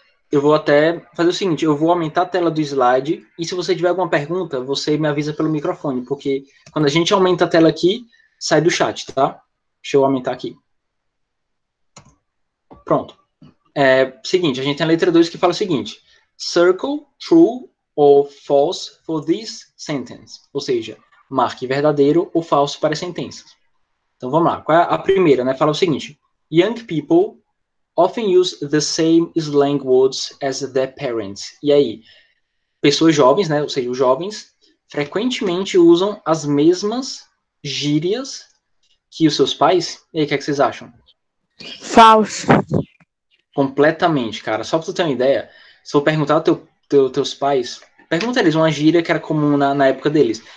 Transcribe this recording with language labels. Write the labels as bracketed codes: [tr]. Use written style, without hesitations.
[pt] Eu vou até fazer o seguinte, eu vou aumentar a tela do slide e se você tiver alguma pergunta, você me avisa pelo microfone, porque quando a gente aumenta a tela aqui, sai do chat, tá? Deixa eu aumentar aqui. Pronto. É, seguinte, a gente tem a letra 2 que fala o seguinte: [en] Circle true ou false for this sentence. [pt] Ou seja, marque verdadeiro ou falso para sentenças. Então vamos lá. Qual é a primeira, né? Fala o seguinte: [en] Young people often use the same slang words as their parents. [pt] E aí, pessoas jovens, né? Ou seja, os jovens frequentemente usam as mesmas gírias que os seus pais. E aí, o que é que vocês acham? Falso. Completamente, cara. Só para você ter uma ideia. Se eu perguntar aos teus pais, pergunta eles uma gíria que era comum na época deles.